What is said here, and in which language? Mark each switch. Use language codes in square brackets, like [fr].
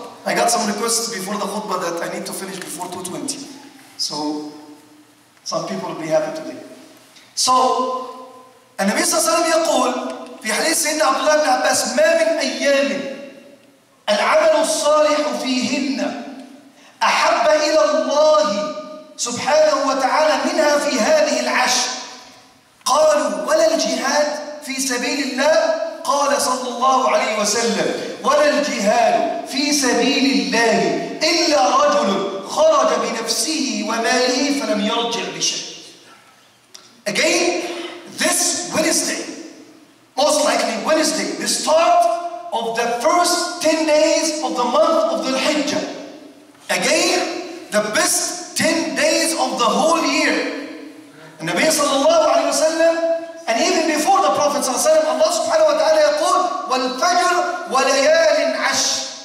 [en] I got some requests before the khutbah that I need to finish before 2:20. So some people will be happy today. [ar] So النبي صلى الله عليه وسلم يقول في حديث سيدنا عبد الله بن عباس ما من أيام العمل الصالح فيهن أحب إلى الله سبحانه وتعالى منها في هذه العشر. قالوا ولا الجهاد في سبيل الله؟ قال صلى الله عليه وسلم ولا الجهاد في سبيل الله إلا رجل خرج بنفسه وماله فلم يرجع بشيء. [en] Again, this Wednesday, most likely Wednesday, the start of the first 10 days of the month of the Hijjah. Again, the best 10 days of the whole year. And Nabi sallallahu alayhi wa sallam, and even before the Prophet sallallahu alayhi wa sallam, Allah subhanahu wa ta'ala yaqul, وَالْفَجْرْ وَلَيَالٍ عَشْرٍ.